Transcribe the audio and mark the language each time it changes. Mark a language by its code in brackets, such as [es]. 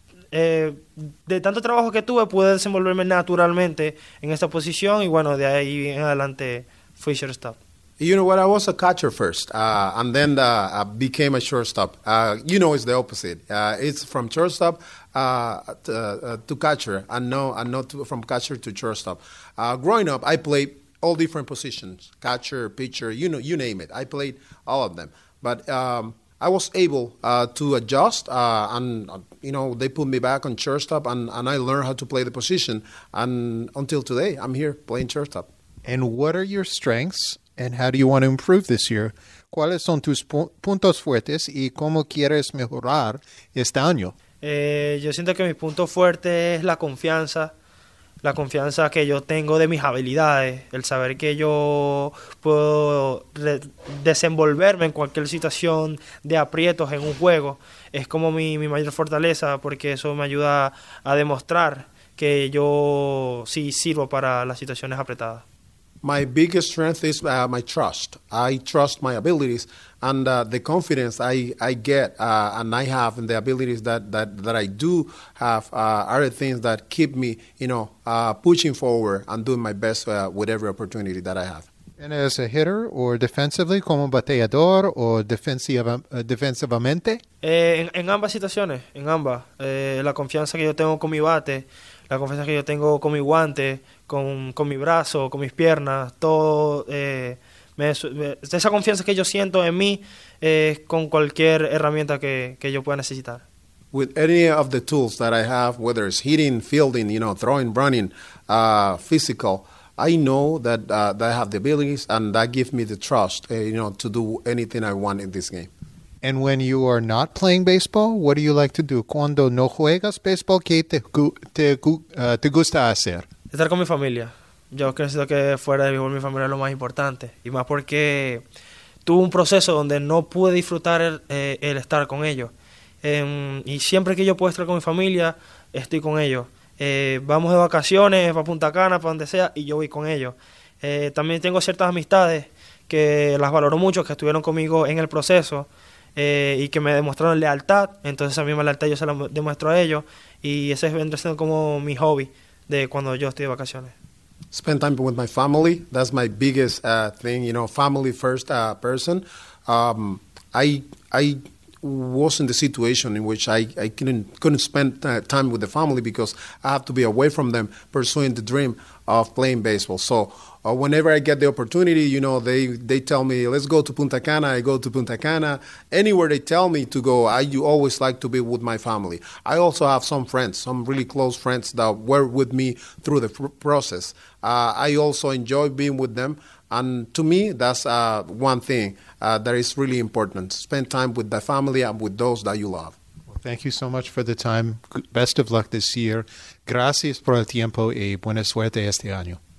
[es] De tanto trabajo que tuve, pude desenvolverme naturalmente en esa posición. Y bueno, de ahí en adelante fui shortstop. [en] You know what, I was a catcher first, and then I became a shortstop. You know, it's the opposite. It's from shortstop to catcher, from catcher to shortstop. Growing up, I played all different positions, catcher, pitcher, you know, you name it. I played all of them. But I was able to adjust, and, you know, they put me back on shortstop, and I learned how to play the position. And until today, I'm here playing shortstop. And what are your strengths? And how do you want to improve this year? [es] ¿Cuáles son tus puntos fuertes y cómo quieres mejorar este año? Yo siento que mi punto fuerte es la confianza que yo tengo de mis habilidades, el saber que yo puedo desenvolverme en cualquier situación de aprietos en un juego. Es como mi mayor fortaleza porque eso me ayuda a demostrar que yo sí sirvo para las situaciones apretadas. [en] My biggest strength is my trust. I trust my abilities and the confidence I get and I have in the abilities that I do have are the things that keep me, you know, pushing forward and doing my best with every opportunity that I have. And as a hitter or defensively, [es] como bateador o defensivamente? En ambas situaciones, en ambas. La confianza que yo tengo con mi bate, la confianza que yo tengo con mi guante, con mi brazo, con mis piernas, todo. Esa confianza que yo siento en mí con cualquier herramienta que yo pueda necesitar. [en] With any of the tools that I have, whether it's hitting, fielding, you know, throwing, running, physical, I know that I have the abilities, and that gives me the trust, you know, to do anything I want in this game. And when you are not playing baseball, what do you like to do? [es] Cuando no juegas baseball, ¿qué te gusta hacer? Estar con mi familia. Yo creo que fuera de béisbol mi familia es lo más importante. Y más porque tuve un proceso donde no pude disfrutar el estar con ellos. Y siempre que yo puedo estar con mi familia, estoy con ellos. Vamos de vacaciones para Punta Cana, para donde sea, y yo voy con ellos. También tengo ciertas amistades que las valoro mucho, que estuvieron conmigo en el proceso y que me demostraron lealtad. Entonces esa misma lealtad yo se la demuestro a ellos. Y ese vendría siendo como mi hobby de cuando yo estoy de vacaciones. [en] Spend time with my family. That's my biggest thing, you know, family first person. I was in the situation in which I couldn't spend time with the family because I have to be away from them pursuing the dream of playing baseball. So whenever I get the opportunity, you know, they tell me, let's go to Punta Cana. I go to Punta Cana. Anywhere they tell me to go, I always like to be with my family. I also have some friends, some really close friends that were with me through the process. I also enjoy being with them. And to me, that's one thing that is really important. Spend time with the family and with those that you love. Well, thank you so much for the time. Best of luck this year. [es] Gracias por el tiempo y buena suerte este año.